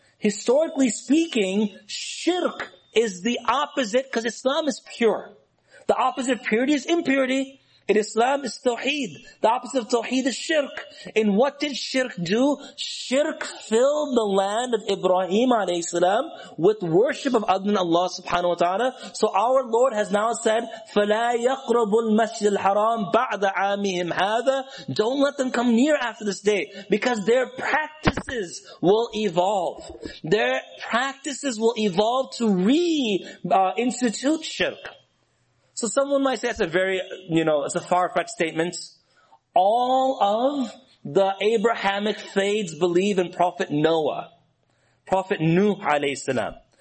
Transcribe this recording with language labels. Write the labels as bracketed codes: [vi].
[en] Historically speaking, shirk is the opposite, because Islam is pure. The opposite of purity is impurity. In Islam is tawheed. The opposite of tawheed is shirk. And what did shirk do? Shirk filled the land of Ibrahim alayhi salam with worship of other than Allah subhanahu wa ta'ala. So our Lord has now said, [ar] فَلَا يَقْرَبُ الْمَسْجِدِ الْحَرَامِ بَعْدَ عَامِهِمْ هَذَا. [en] Don't let them come near after this day, because their practices will evolve. Their practices will evolve to re-institute shirk. So someone might say that's a very, you know, it's a far-fetched statement. All of the Abrahamic faiths believe in Prophet Noah, Prophet Nuh alayhi salam.